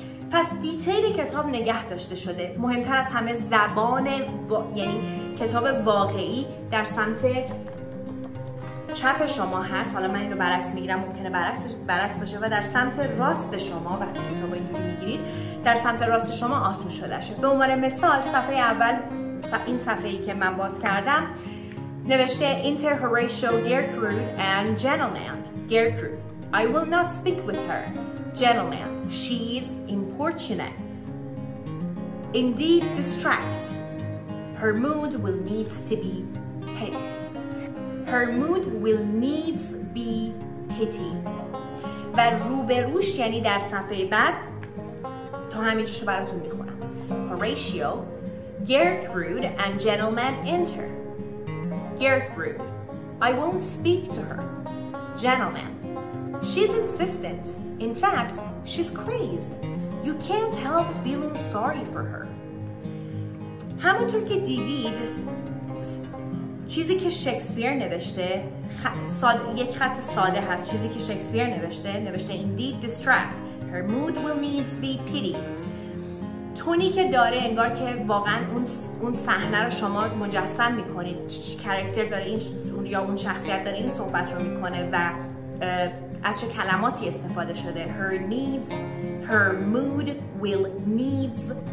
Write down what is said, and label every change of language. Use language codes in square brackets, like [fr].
[fa] پس دیتیل کتاب نگه داشته شده. مهمتر از همه زبان یعنی کتاب واقعی در سمت چپ شما هست، حالا من اینو برعکس میگیرم، ممکنه برعکس باشه، و در سمت راست شما وقتی کتاب اینجوری میگیرید در سمت راست شما آسون شده شه. به عنوان مثال صفحه اول، این صفحه ای که من باز کردم نوشته [en] Inter Horatio Gertrude and gentleman Gertrude I will not speak with her gentleman she is importunate indeed distract her mood will needs to be paid Her mood will needs be pitied. [fa] و روبروش، یعنی در صفحه بعد، تا همینجوش براتون میخونم. [en] Horatio, Gertrude and gentleman enter. Gertrude, I won't speak to her. Gentleman, she's insistent. In fact, she's crazed. You can't help feeling sorry for her. [fa] همونطور که دیدید، چیزی که شکسپیر نوشته یک خط ساده هست. چیزی که شکسپیر نوشته [en] Indeed distract Her mood will needs be pitied. [fa] تونی که داره انگار که واقعا اون صحنه رو شما مجسم میکنید، کاراکتر داره یا اون شخصیت داره این صحبت رو میکنه و از چه کلماتی استفاده شده. [en] Her needs Her mood will needs